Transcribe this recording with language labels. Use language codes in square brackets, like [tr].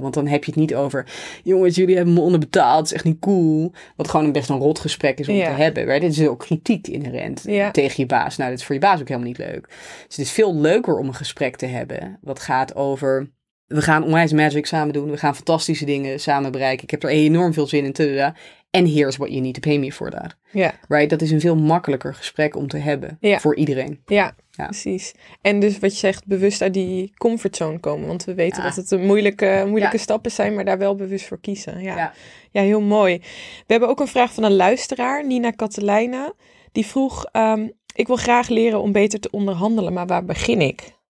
[nl] Want dan heb je het niet over, jongens, jullie hebben me onderbetaald, het is echt niet cool. Wat gewoon een best een rot gesprek is om te hebben. Right? Dit is ook kritiek inherent tegen je baas. Nou, dat is voor je baas ook helemaal niet leuk. Dus het is veel leuker om een gesprek te hebben wat gaat over... We gaan onwijs magic samen doen. We gaan fantastische dingen samen bereiken. Ik heb er enorm veel zin in. En [en] here's what you need to pay me for that. [nl] Ja. [en] Right? [nl] Dat is een veel makkelijker gesprek om te hebben voor iedereen. Ja, precies. En dus wat je zegt, bewust uit die comfortzone komen. Want we weten dat het een moeilijke stappen zijn, maar daar wel bewust voor kiezen. Ja. Ja, heel mooi. We hebben ook een vraag van een luisteraar, Nina Katelijne. Die vroeg, ik wil graag leren om beter te onderhandelen, maar waar begin ik?